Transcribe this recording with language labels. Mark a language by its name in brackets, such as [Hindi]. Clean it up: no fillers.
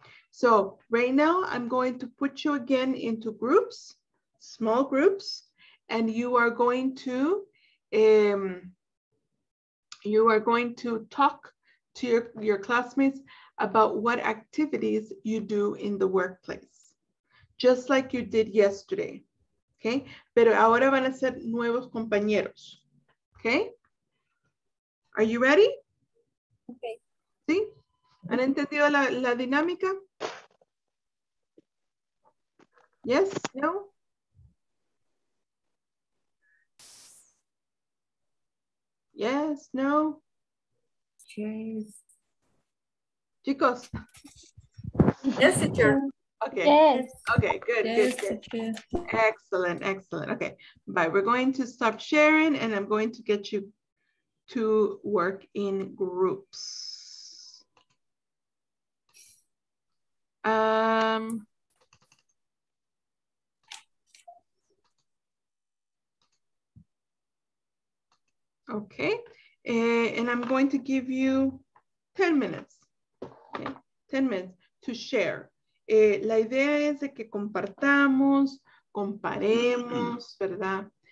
[English] So right now I'm going to put you again into groups, small groups, and you are going to talk to your classmates about what activities you do in the workplace, just like you did yesterday. [Spanish] Okay, pero ahora van a ser nuevos compañeros. [English] Okay, are you ready? Okay. [Spanish] ¿Sí? ¿Han entendido la dinámica? [English] Yes, no? Yes, no? Yes. [Spanish] Chicos. [English] Yes, teacher. Okay. Yes. Okay, good, yes, good, good. Excellent, excellent. Okay, bye. We're going to stop sharing and I'm going to get you to work in groups. Okay, and I'm going to give you 10 minutes, okay. 10 minutes to share. [Spanish] La idea es de que compartamos, comparemos, ¿verdad?